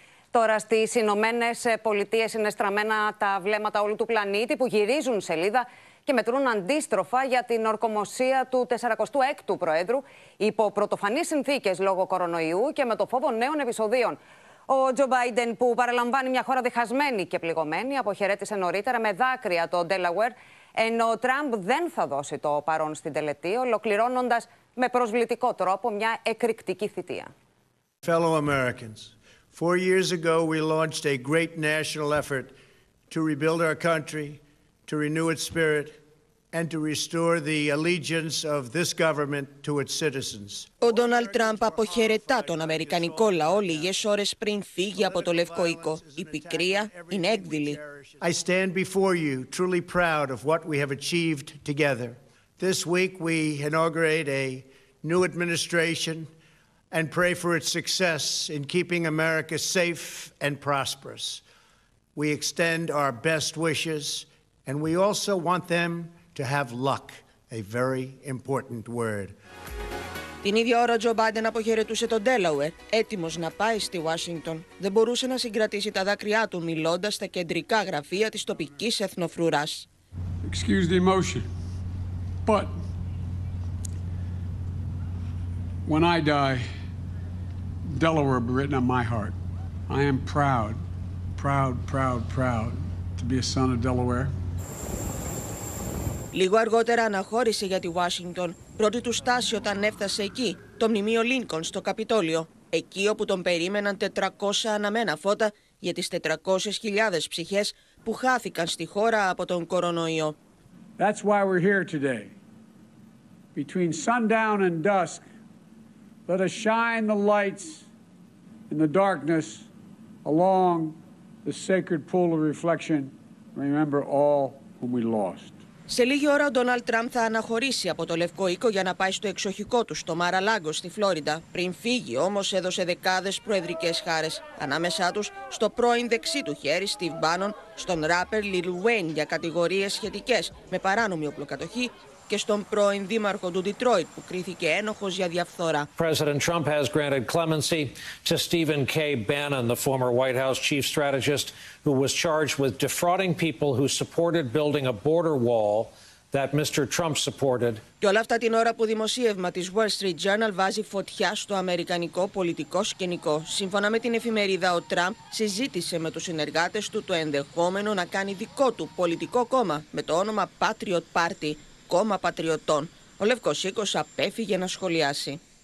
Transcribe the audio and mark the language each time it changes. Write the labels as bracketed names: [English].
[Greek] Τώρα στις Ηνωμένες Πολιτείες είναι στραμμένα τα βλέμματα όλου του πλανήτη που γυρίζουν σελίδα και μετρούν αντίστροφα για την ορκομοσία του 46ου Προέδρου υπό πρωτοφανείς συνθήκες λόγω κορονοϊού και με το φόβο νέων επεισοδίων. Ο Τζο Μπάιντεν, που παραλαμβάνει μια χώρα διχασμένη και πληγωμένη, αποχαιρέτησε νωρίτερα με δάκρυα το Ντέλαουερ, ενώ ο Τραμπ δεν θα δώσει το παρόν στην τελετή, ολοκληρώνοντας με προσβλητικό τρόπο μια εκρηκτική θητεία. [English] Fellow Americans, 4 years ago we launched a great national effort to rebuild our country, to renew its spirit, and to restore the allegiance of this government to its citizens. [Greek] Ο Ντόναλντ Τραμπ αποχαιρετά τον αμερικανικό λαό λίγες ώρες πριν φύγει από το Λευκό Οίκο. Η πικρία είναι έκδηλη. [English] I stand before you truly proud of what we have achieved together. This week we inaugurate a new administration and pray for its success in keeping America safe and prosperous. We extend our best wishes and we also want them to have luck, a very important word. [Greek] Την ίδια ώρα, Τζο Μπάιντεν αποχαιρετούσε τον Ντέλαουερ, έτοιμος να πάει στη Ουάσιγκτον. Δεν μπορούσε να συγκρατήσει τα δάκρυά του μιλώντας στα κεντρικά γραφεία της τοπικής εθνοφρουράς. [English] Excuse the emotion, but when I die, Delaware will be written on my heart. I am proud, proud, proud, proud to be a son of Delaware. [Greek] Λίγο αργότερα αναχώρησε για τη Ουάσιγκτον, πρώτη του στάση όταν έφτασε εκεί, το μνημείο Λίνκον στο Καπιτόλιο, εκεί όπου τον περίμεναν 400 αναμένα φώτα για τις 400.000 ψυχές που χάθηκαν στη χώρα από τον κορονοϊό. [English] That's why we're here today. Between sundown and dusk, let us shine the lights in the darkness along the sacred pool of reflection. Remember all whom we lost. [Greek] Σε λίγη ώρα ο Ντόναλντ Τραμπ θα αναχωρήσει από το Λευκό Οίκο για να πάει στο εξοχικό του στο Μαραλάγκο στη Φλόριντα. Πριν φύγει όμως έδωσε δεκάδες προεδρικές χάρες. Ανάμεσά τους στο πρώην δεξί του χέρι Steve Bannon, στον ράπερ Lil Wayne για κατηγορίες σχετικές με παράνομη οπλοκατοχή και στον πρώην δήμαρχο του Ντιτρόιτ που κρίθηκε ένοχος για διαφθορά. [English] President Trump has granted clemency to Stephen K. Bannon, the former White House chief strategist who was charged with defrauding people who supported building a border wall that Mr. Trump supported. [Greek] Και όλα αυτά την ώρα που δημοσίευμα της Wall Street Journal βάζει φωτιά στο αμερικανικό πολιτικό σκηνικό. Σύμφωνα με την εφημερίδα, ο Τραμπ συζήτησε με τους συνεργάτες του το ενδεχόμενο να κάνει δικό του πολιτικό κόμμα με το όνομα Patriot Party. Κόμμα Πατριωτών. Ο Λευκός Οίκος απέφυγε να σχολιάσει.